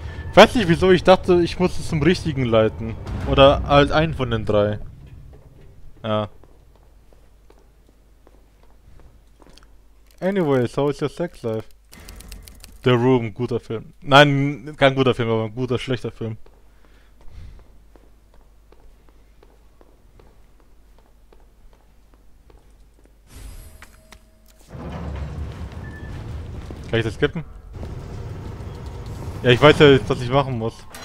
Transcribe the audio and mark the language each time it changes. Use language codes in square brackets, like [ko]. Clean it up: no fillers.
[de] Ich weiß nicht wieso, ich dachte, ich muss es zum richtigen leiten. Oder als einen von den drei. Ja. [en] Anyways, how is your sex life? [de] The Room, guter Film. Nein, kein guter Film, aber ein guter, schlechter Film. Kann ich das skippen? Ja, ich weiß ja, was ich machen muss.